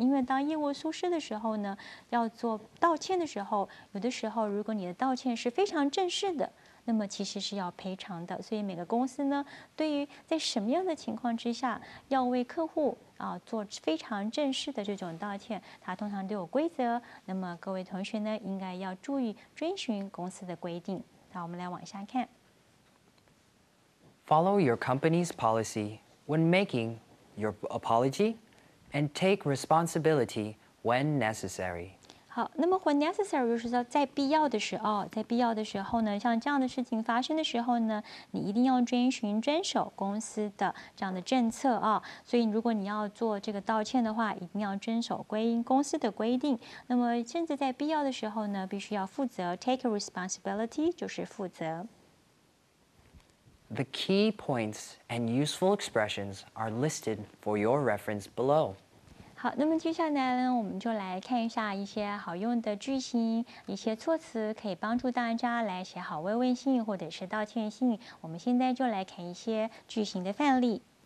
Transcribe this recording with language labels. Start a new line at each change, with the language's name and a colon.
Chinese: 因为当业务疏失的时候呢，要做道歉的时候，有的时候如果你的道歉是非常正式的，那么其实是要赔偿的。所以每个公司呢，对于在什么样的情况之下要为客户。做非常正式的这种道歉，它通常都有规则。那么各位同学呢，应该要注意遵循公司的规定。好，我们来往下看。
English: Follow your company's policy when making your apology, and take responsibility when necessary.
Chinese: 好，那么 when necessary 就是说在必要的时候，在必要的时候呢，像这样的事情发生的时候呢，你一定要遵循遵守公司的这样的政策啊。所以如果你要做这个道歉的话，一定要遵守公司的规定。那么甚至在必要的时候呢，必须要负责 take a responsibility 就是负责。
English: The key points and useful expressions are listed for your reference below.
Chinese: 好，那么接下来呢，我们就来看一下一些好用的句型，一些措辞可以帮助大家来写好慰问信或者是道歉信。我们现在就来看一些句型的范例。